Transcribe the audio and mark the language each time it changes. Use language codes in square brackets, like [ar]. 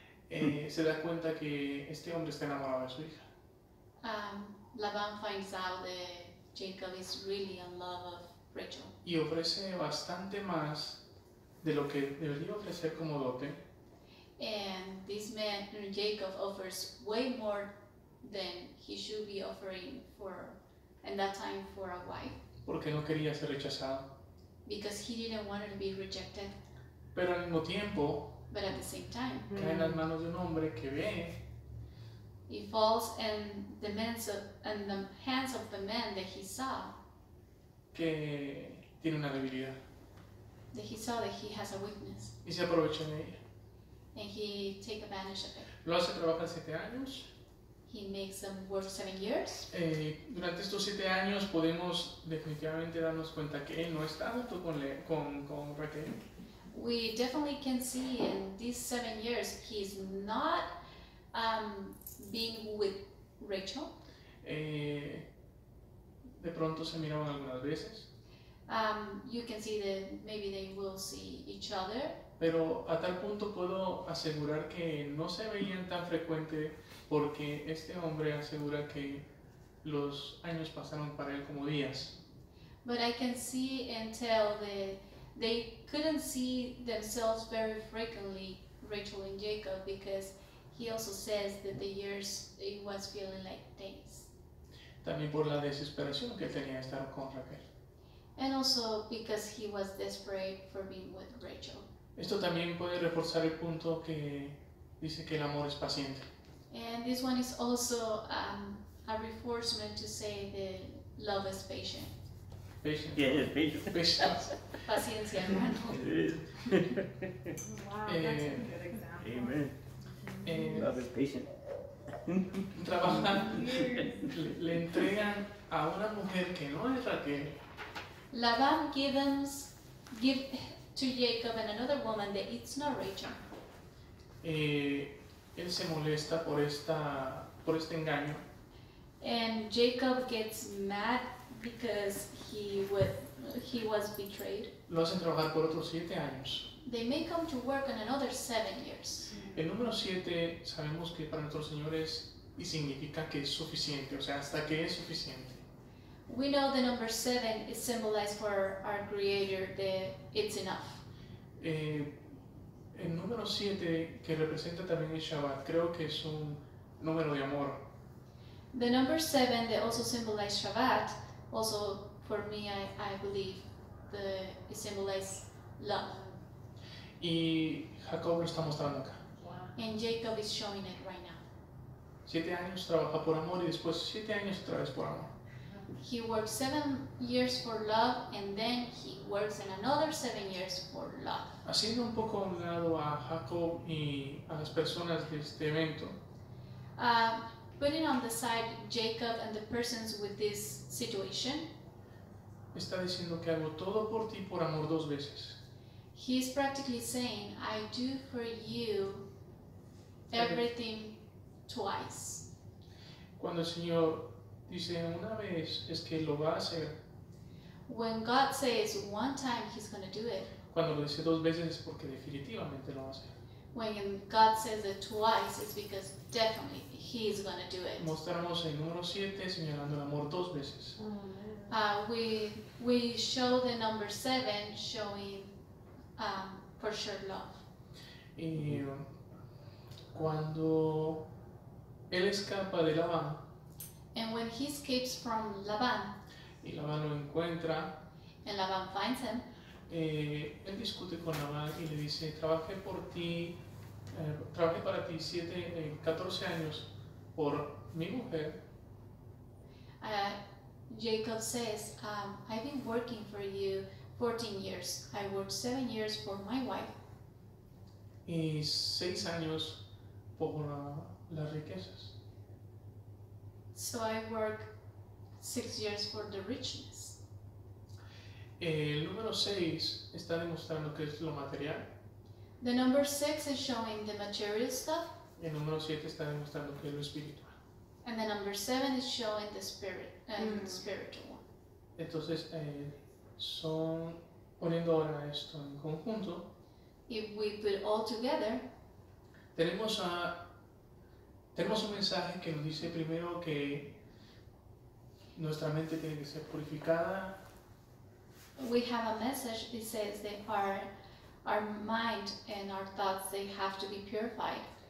[es] se da cuenta que este hombre está enamorado de su hija. [en] Labán finds out that Jacob is really in love of Rachel. [es] Y ofrece bastante más de lo que debería ofrecer como dote. [en] And this man, Jacob, offers way more than he should be offering for, in that time, for a wife. [es] Porque no quería ser rechazado. [en] Because he didn't want to be rejected. [es] Pero al mismo tiempo, [en] but at the same time, [es] cae en las manos de un hombre que ve. [en] He falls in the, hands of the man that he saw. [es] Que tiene una debilidad. [en] That he saw that he has a weakness. [es] Y se aprovecha de ella. [en] And he take advantage of it. [es] Lo hace trabajar 7 años. [en] He makes them work 7 years. [es] Durante estos 7 años podemos definitivamente darnos cuenta que él no está junto con Raquel. [en] We definitely can see in these 7 years he's not being with Rachel. [es] De pronto se miraban algunas veces. [en] You can see that maybe they will see each other. [es] Pero a tal punto puedo asegurar que no se veían tan frecuente porque este hombre asegura que los años pasaron para él como días. [en] But I can see and tell that they couldn't see themselves very frequently, Rachel and Jacob, because he also says that the years, it was feeling like days. [es] También por la desesperación que tenía de estar con Raquel. [en] And also because he was desperate for being with Rachel. [es] Esto también puede reforzar el punto que dice que el amor es paciente. [en] And this one is also a reinforcement to say that love is patient. Patience. Yeah, patience. Patience. [es] Paciencia, [en] hermano. Wow, that's a good example. Amen. Love is patient. [es] Trabajan, le entregan a una mujer que no es Raquel. [en] Labán give to Jacob and another woman that it's not Rachel. [es] Él se molesta por este engaño. [en] And Jacob gets mad because he was betrayed. [es] Lo hacen trabajar por otros 7 años. [en] They make him to work on another 7 years. [es] El número 7 sabemos que para nuestro Señor es y significa que es suficiente, o sea, hasta que es suficiente. [en] We know the number 7 is symbolized for our Creator that it's enough. [es] El número 7 que representa también el Shabbat, creo que es un número de amor. [en] The number 7 that also symbolizes Shabbat, also for me, I believe that it symbolizes love. [es] Y Jacob lo está mostrando acá. [en] And Jacob is showing it right now. [es] 7 años trabaja por amor y después 7 años otra vez por amor. [en] He worked 7 years for love and then he works in another 7 years for love. [es] Haciendo un poco a un lado a Jacob y a las personas de este evento. [en] Putting on the side Jacob and the persons with this situation. [es] Está diciendo que hago todo por ti por amor 2 veces. [en] He is practically saying, I do for you everything twice. [es] Cuando el Señor dice una vez, es que lo va a hacer. [en] When God says one time, he's going to do it. [es] Cuando lo dice 2 veces, es porque definitivamente lo va a hacer. [en] When God says it twice, it's because definitely he is going to do it. [es] Mostramos el número 7 señalando el amor 2 veces. [en] We show the number 7 showing for shared love. [es] Y cuando él escapa de Labán, [en] and when he escapes from Labán, [es] y Labán lo encuentra, [en] and Labán finds him, [es] él discute con Labán y le dice, trabajé por ti, trabajé para ti 14 años por mi mujer. [en] Jacob says, I've been working for you 14 years. I worked 7 years for my wife. [es] Y 6 años por las riquezas. [en] So I work 6 years for the richness. [es] El número 6 está demostrando que es lo material. [en] The number 6 is showing the material stuff. [es] El número 7 está demostrando que es lo espiritual. [en] And the number 7 is showing the spirit and the spiritual. [es] Entonces, son poniendo ahora esto en conjunto. [en] If we put all together, [es] tenemos un mensaje que nos dice primero que nuestra mente tiene que ser purificada. [en] We have a message that says that our mind and our thoughts, they have to be purified.